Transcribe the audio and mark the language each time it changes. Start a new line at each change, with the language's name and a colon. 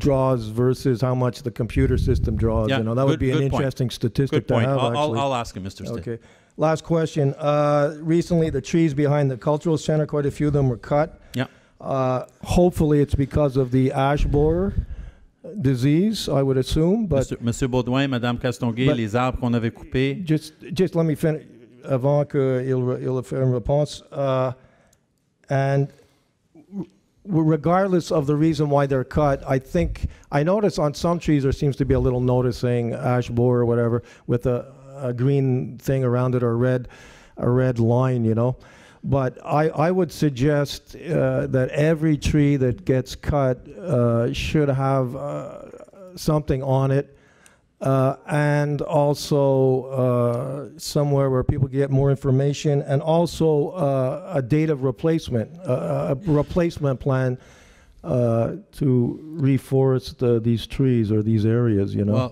English: draws versus how much the computer system draws. Yeah, you know, that would be an interesting statistic to have. I'll ask him, Mr. Stitt. Okay. Last question. Recently, the trees behind the cultural center, quite a few of them were cut. Yeah. Hopefully, it's because of the ash borer disease, I would assume. But
French: Monsieur Baudouin, Madame Castonguay, les arbres qu'on avait coupés.
English: Just let me finish
French: avant que il fasse une réponse.
English: And regardless of the reason why they're cut, I notice on some trees there seems to be a little notice saying ash borer or whatever with a green thing around it, or a red line, you know. But I would suggest that every tree that gets cut should have something on it, and also somewhere where people get more information, and also a date of replacement, a replacement plan to reforest these trees or these areas, you know.